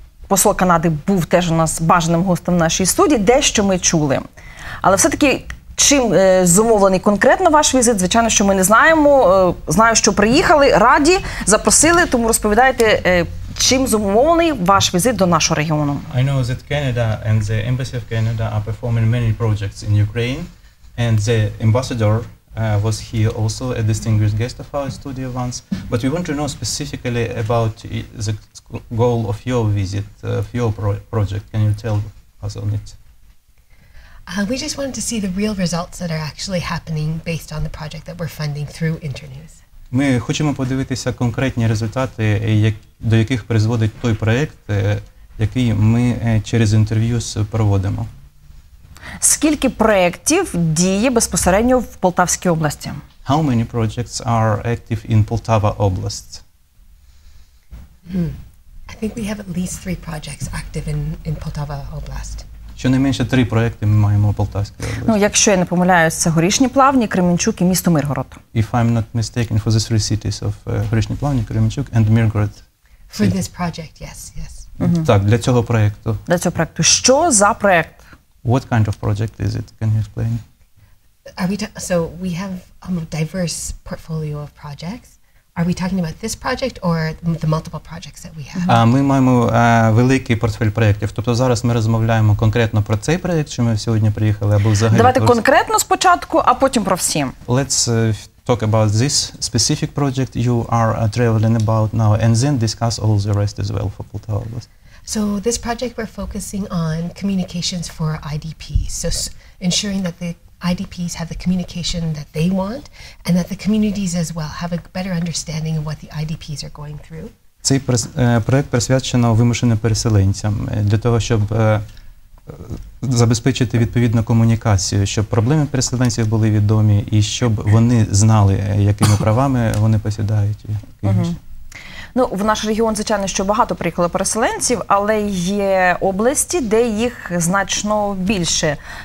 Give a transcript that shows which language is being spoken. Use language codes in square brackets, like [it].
[uk] Посол Канади був теж у нас бажаним гостем в нашій студії. Дещо ми чули. Але все-таки... Чим зумовлений конкретно ваш візит? Звичайно, що ми не знаємо. Знаю, що приїхали, раді, запросили. Тому розповідайте, чим зумовлений ваш візит до нашого регіону? [en] I know that Canada and the Embassy of Canada are performing many projects in Ukraine. And the ambassador was here also, a distinguished guest of our studio once. But we want to know specifically about the goal of your visit, of your project. Can you tell us on it? We just wanted to see the real results that are actually happening based on the project that we're funding through Internews. [uk] Ми хочемо подивитися конкретні результати, до яких призводить той проект, який ми через Internews проводимо. Скільки проєктів діє безпосередньо в Полтавській області? [en] How many projects are active in Poltava област? I think we have at least 3 projects active in Poltava област. [uk] Щонайменше 3 проекти ми маємо у Полтавській області. Ну, якщо я не помиляюсь, це Горішні Плавні, Кременчук і місто Миргород. [en] If I'm not mistaken, for the 3 cities of Горішні Плавні, Кременчук and Миргород. For this project, yes, yes. [uk] Так, для цього проекту. Для цього проекту. Що за проект? [en] What kind of project is it? Can you explain? So we have a diverse portfolio of projects. Are we talking about this project or the multiple projects that we have? [uk] Ми маємо великий портфель проєктів. Тобто зараз ми розмовляємо конкретно про цей проєкт, що ми сьогодні приїхали, або взагалі... Давайте конкретно спочатку, а потім про всі. [en] Let's talk about this specific project you are traveling about now, and then discuss all the rest as well for Полтава область. So this project we're focusing on communications for IDPs, so ensuring that the IDPs have the communication that they want and that the communities as well have a better understanding of what the IDPs are going through. [uk] Цей проект присвячено вимушеним переселенцям для того, щоб забезпечити відповідну комунікацію, щоб проблеми переселенців були відомі і щоб вони знали, якими правами вони посідають. Ну, в наш регіон, звичайно, що багато приїхало переселенців, але є області, де їх значно більше.